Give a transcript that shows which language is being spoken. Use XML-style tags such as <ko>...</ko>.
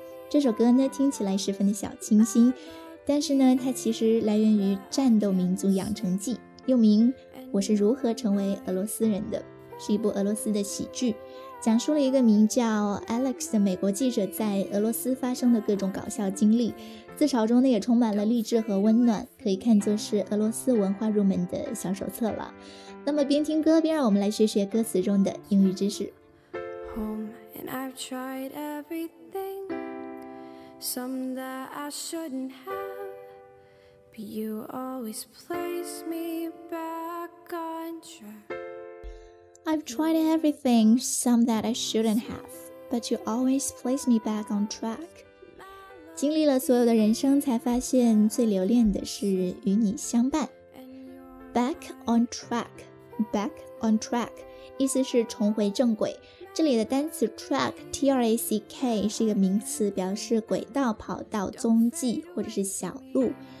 <zh>这首歌呢听起来十分的小清新，但是呢它其实来源于战斗民族养成记，又名我是如何成为俄罗斯人的，是一部俄罗斯的喜剧，讲述了一个名叫 Alex 的美国记者在俄罗斯发生的各种搞笑经历，自嘲中呢也充满了励志和温暖，可以看作是俄罗斯文化入门的小手册了。那么边听歌边让我们来学学歌词中的英语知识。</zh> <en>Home and I've tried everything, some that I shouldn't have, but you always place me back on track. I've tried everything, some that I shouldn't have, but you always place me back on track.</en> <zh>经历了所有的人生才发现最留恋的是与你相伴。</zh> <en>Back on track,Back on track</en> <zh>意思是重回正轨，这里的单词 track T-R-A-C-K 是一个名词，表示轨道、跑道、踪迹或者是小路。</zh>